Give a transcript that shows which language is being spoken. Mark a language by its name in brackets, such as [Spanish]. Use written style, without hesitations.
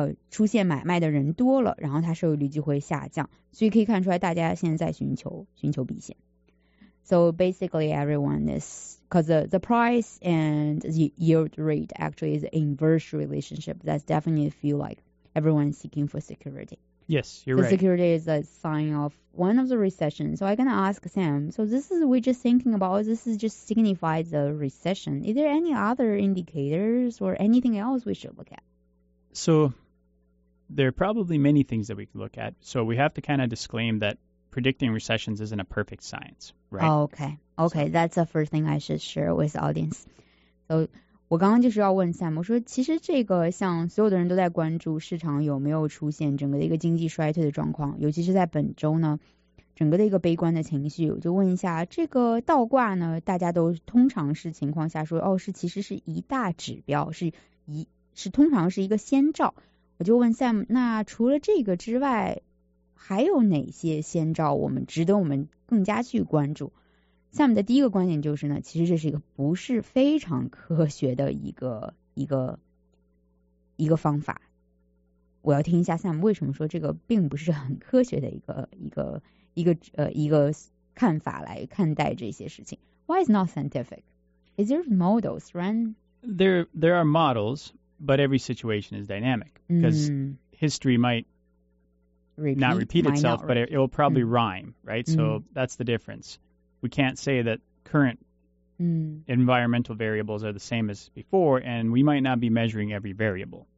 [Chinese] 出现买卖的人多了，然后它收益率就会下降。所以可以看出来，大家现在寻求避险。 [English] So basically, everyone is because the price and the yield rate actually is an inverse relationship. That's definitely feel like everyone seeking for security. Yes, you're right. Security is a sign of one of the recession. So I'm going to ask Sam. So this is we're just thinking about. This is just signifies the recession. Is there any other indicators or anything else we should look at? So there are probably many things that we can look at. So we have to kind of disclaim that predicting recessions isn't a perfect science, right? Oh, okay. Okay, so, that's the first thing I should share with the audience. [Chinese] So, 我刚刚就是要问 Sam, 我说其实这个像所有的人都在关注市场有没有出现整个的一个经济衰退的状况，尤其是在本周呢，整个的一个悲观的情绪，我就问一下，这个倒挂呢，大家都通常是情况下说，哦，是其实是一大指标，是通常是一个先兆。我就问 Sam, 那除了这个之外，还有哪些先兆我们值得我们更加去关注？下面的第一个观点就是呢，其实这是一个不是非常科学的一个方法。我要听一下 Sam 为什么说这个并不是很科学的一个看法来看待这些事情。 [English] Why is not scientific? Is there models, right? There are models, but every situation is dynamic because history might not repeat itself, but it will probably rhyme, right? So that's the difference. We can't say that current environmental variables are the same as before, and we might not be measuring every variable.